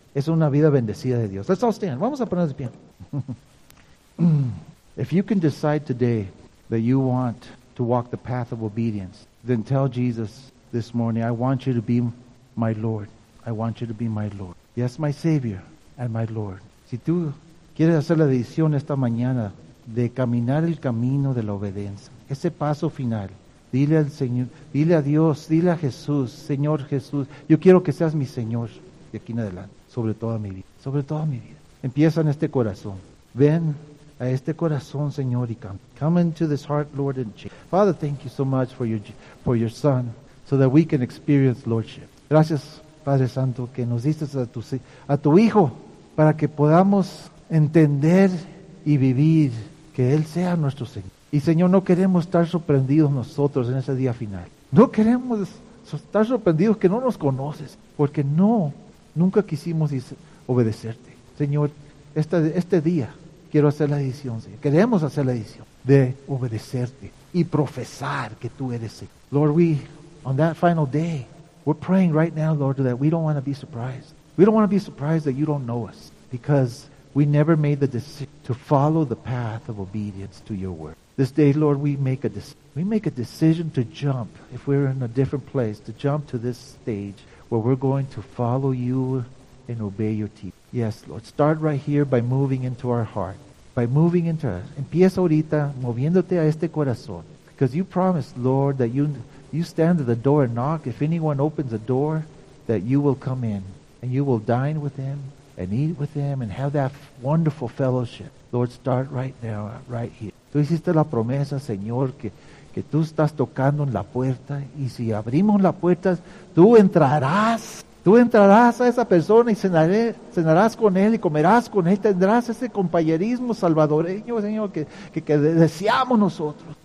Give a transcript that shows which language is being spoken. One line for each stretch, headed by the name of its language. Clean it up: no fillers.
Spanish: Es una vida bendecida de Dios.
English: Let's all stand.
Spanish: Vamos a ponernos de pie.
English: If you can decide today that you want to walk the path of obedience, then tell Jesus this morning, I want you to be my Lord. I want you to be my Lord. Yes, my Savior and my Lord.
Spanish: Si tú quieres hacer la decisión esta mañana de caminar el camino de la obediencia, ese paso final, dile al Señor, dile a Dios, dile a Jesús, Señor Jesús, yo quiero que seas mi Señor de aquí en adelante, sobre toda mi vida, sobre toda mi vida. Empieza en este corazón. Ven a este corazón, Señor, y come.
English: Come into this heart, Lord, and change. Father, thank you so much for your Son, so that we can experience Lordship.
Spanish: Gracias, Padre Santo, que nos diste a tu Hijo, para que podamos entender y vivir que Él sea nuestro Señor. Y Señor, no queremos estar sorprendidos nosotros en ese día final. No queremos estar sorprendidos que no nos conoces, porque nunca quisimos obedecerte. Señor, este día quiero hacer la decisión, Señor. Queremos hacer la decisión de obedecerte y profesar que tú eres Señor.
English: Lord, on that final day, we're praying right now, Lord, that we don't want to be surprised. We don't want to be surprised that you don't know us, because we never made the decision to follow the path of obedience to your word. This day, Lord, we make a decision to jump, if we're in a different place, to jump to this stage where we're going to follow you and obey your teaching. Yes, Lord, start right here by moving into our heart, by moving into us.
Spanish: Empieza ahorita moviéndote a este corazón,
English: because you promised, Lord, that you stand at the door and knock. If anyone opens the door, that you will come in and you will dine with him and eat with him and have that wonderful fellowship. Lord, start right now, right here.
Spanish: Tú hiciste la promesa, Señor, que tú estás tocando en la puerta, y si abrimos la puerta, tú entrarás a esa persona y cenarás con él y comerás con él, tendrás ese compañerismo salvadoreño, Señor, que deseamos nosotros.